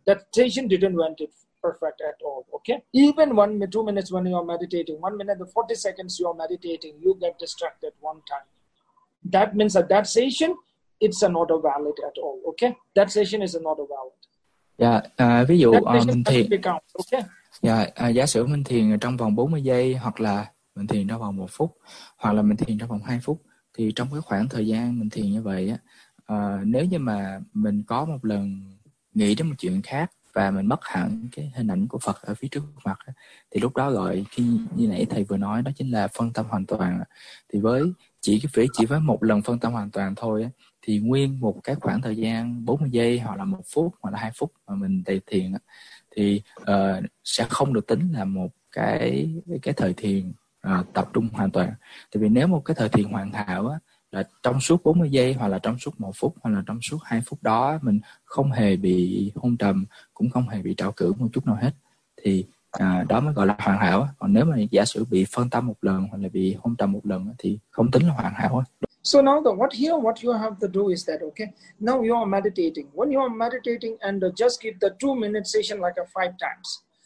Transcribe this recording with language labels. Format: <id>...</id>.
<en>That meditation didn't went it perfect at all, okay? Even 1-2 minutes when you are meditating, 1 minute and 40 seconds you are meditating, you get distracted one time. That means that that session, it's not a valid at all, okay? That session is not a valid.</en> <vi>Yeah, ví dụ mình thiền,</vi> <en>count, okay?</en> <vi>Yeah, giả sử mình thiền trong vòng 40 giây, hoặc là mình thiền trong vòng 1 phút, hoặc là mình thiền trong vòng 2 phút, thì trong cái khoảng thời gian mình thiền như vậy á, nếu như mà mình có một lần nghĩ đến một chuyện khác và mình mất hẳn cái hình ảnh của Phật ở phía trước mặt, thì lúc đó gọi như nãy thầy vừa nói, đó chính là phân tâm hoàn toàn. Thì với chỉ với một lần phân tâm hoàn toàn thôi, thì nguyên một cái khoảng thời gian 40 giây hoặc là 1 phút hoặc là 2 phút mà mình đầy thiền thì sẽ không được tính là một cái thời thiền tập trung hoàn toàn. Tại vì nếu một cái thời thiền hoàn hảo là trong suốt 40 giây hoặc là trong suốt 1 phút hoặc là trong suốt 2 phút đó mình không hề bị hôn trầm, cũng không hề bị trào cử một chút nào hết, thì đó mới gọi là hoàn hảo. Còn nếu mà giả sử bị phân tâm một lần hoặc là bị hôn trầm một lần thì không tính là hoàn hảo.</vi> <en>So now the what you have to do is that, okay, now you are meditating. When you are meditating and just give the 2 minute session like a 5 times.</en>